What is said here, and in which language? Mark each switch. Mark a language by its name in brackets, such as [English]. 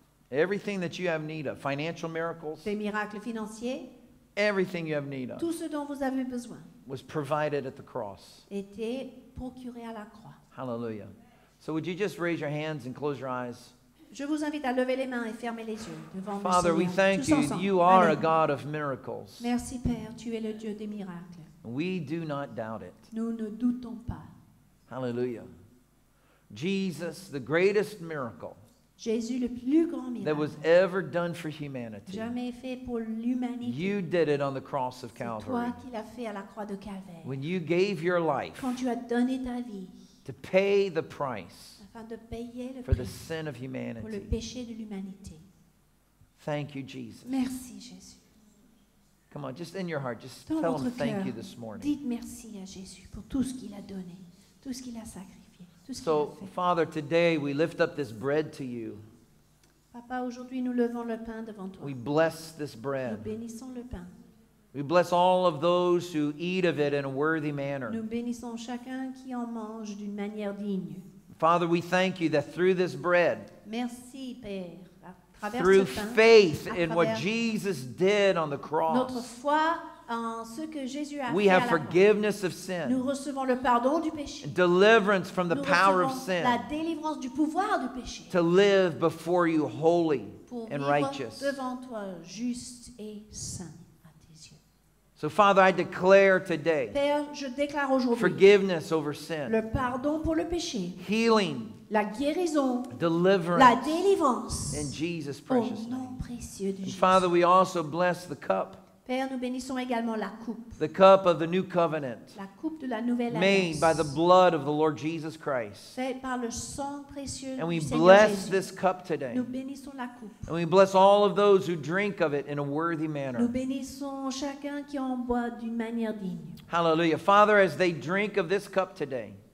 [English] Everything that you have need of, financial miracles, [French] des miracles financiers, [English] everything you have need of, [French] tout ce dont vous avez besoin, [English] was provided at the cross, [French] était procuré à la croix. [English] Hallelujah. So would you just raise your hands and close your eyes? [French] Je vous invite à lever les mains et fermer les yeux devant [English] Father, [French] le Seigneur. [English] We thank you. You are Allez. A God of miracles. [French] Merci Père, tu es le Dieu des miracles. [English] We do not doubt it. [French] Nous ne doutons pas. [English] Hallelujah. Jesus, the greatest miracle. [French] Jésus, le plus grand miracle [English] that was ever done for humanity. [French] Jamais fait pour l'humanité. [English] You did it on the cross of Calvary. [French] C'est toi qui l'as fait à la croix de Calvaire. [English] When you gave your life. [French] Quand tu as donné ta vie. [English] To pay the price. [French] Afin de payer le [English] for the sin of humanity. [French] Pour le péché de l'humanité. [English] Thank you, Jesus. [French] Merci, Jésus. [English] Come on, just in your heart, just [French] dans [English] tell him [French] cœur, [English] thank you this morning. [French] Dites merci à Jésus pour tout ce qu'il a donné, tout ce qu'il a sacrifié. [English] So, Father, today we lift up this bread to you. [French] Papa, aujourd'hui nous levons le pain devant toi. [English] We bless this bread. [French] Nous bénissons le pain. [English] We bless all of those who eat of it in a worthy manner. [French] Nous bénissons chacun qui en mange d'une manière digne. [English] Father, we thank you that through this bread, [French] merci, Père, à travers [English] through [French] ce pain, [English] faith in what Jesus did on the cross, [French] notre foi en ce que Jésus a [English] we [French] fait [English] have forgiveness of sin. [French] Nous recevons le pardon du péché. [English] Deliverance from the [French] nous [English] power of sin. [French] La délivrance du pouvoir du péché. [English] To live before you holy and righteous. [French] Pour vivre devant toi juste et saint à tes yeux. [English] So Father, I declare today. [French] Père, je déclare aujourd'hui. [English] Forgiveness over sin. [French] Le pardon pour le péché. [English] Healing. [French] La guérison. [English] Deliverance. [French] La délivrance. [English] In Jesus' precious [French] name. Au nom précieux de Jésus. [English] Father, we also bless the cup. [French] Père, nous bénissons également la coupe. [English] The cup of the new covenant. [French] La coupe de la nouvelle alliance. [English] Made by the blood of the Lord Jesus Christ. [French] Fait par le sang précieux [English] and [French] du [English] we [French] Seigneur [English] bless This cup today. [French] Nous bénissons la coupe. [English] And we bless all of those who drink of it in a worthy manner. [French] Nous bénissons chacun qui en boit d'une manière digne. [English] Hallelujah. Father, as they drink of this cup today.